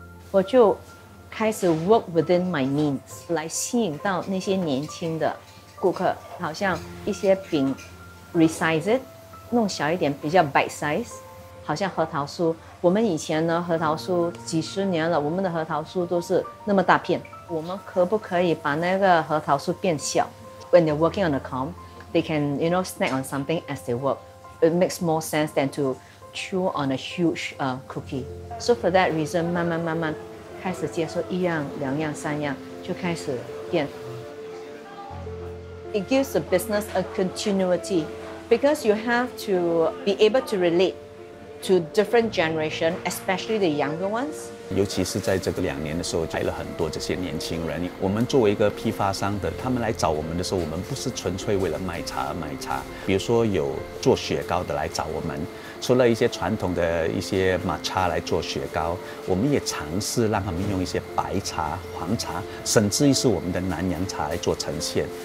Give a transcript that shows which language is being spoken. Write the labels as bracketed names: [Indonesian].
[Chinese] 我就开始 [English] work within my means [Chinese] 来吸引到那些年轻的顾客，好像一些饼 [English] resize it [Chinese] 弄小一点，比较 [English] bite size， [Chinese] 好像核桃酥，我们以前呢核桃酥几十年了，我们的核桃酥都是那么大片，我们可不可以把那个核桃酥变小？ [English] When they're working on the comb, they can, you know, snack on something as they work. It makes more sense than to chew on a huge cookie. So for that reason, [Chinese] 慢慢慢慢开始接受一样、两样、三样，就开始变。 [English] It gives the business a continuity because you have to be able to relate to different generation, especially the younger ones. [Chinese] 尤其是在这个两年的时候来了很多这些年轻人，我们作为一个批发商的，他们来找我们的时候，我们不是纯粹为了卖茶而卖茶，比如说有做雪糕的来找我们，除了一些传统的一些抹茶来做雪糕，我们也尝试让他们用一些白茶、黄茶，甚至于是我们的南洋茶来做呈现。